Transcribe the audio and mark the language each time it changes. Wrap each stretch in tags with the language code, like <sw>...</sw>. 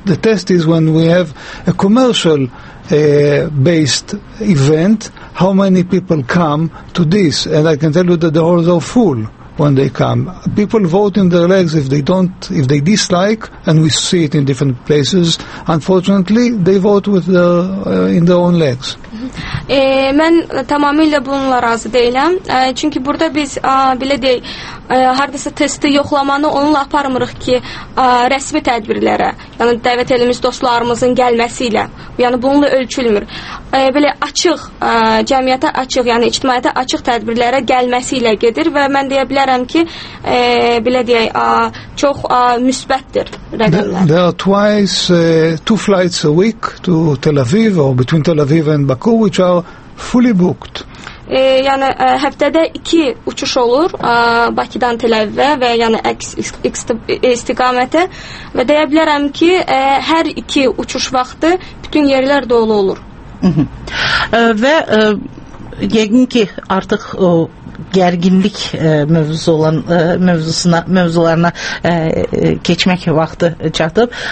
<en>The test is when we have a commercial based event, how many people come to this? And I can tell you that the halls are full. When they come, people vote in their legs if they dislike, and we see it in different places. Unfortunately, they vote with their in their own legs.</en> <az>Mən tamamilə bununla razı deyiləm. Çünki burada biz belə deyək, hardasa testi yoxlamanı onunla aparmırıq ki, rəsmi tədbirlərə, yəni dəvət edilmiş dostlarımızın gəlməsi ilə, yəni bununla ölçülmür. Belə açıq, cəmiyyətə açıq, yəni ictimaiyyətə açıq tədbirlərə gəlməsi ilə gedir və mən deyə bilərəm ki, belə deyək, çox müsbətdir rəqəmlər.</az> <en>There are two flights a week to Tel Aviv or between Tel Aviv and Baku, which are fully booked.</en> <az>Yəni həftədə 2 uçuş olur Bakıdan Tel Əvivə və yəni əks istiqamətə və deyə bilərəm ki, hər 2 uçuş vaxtı bütün yerlər dolu olur. Və yəqin ki, artıq gərginlik mövzularına keçmək vaxtı çatıb.</az>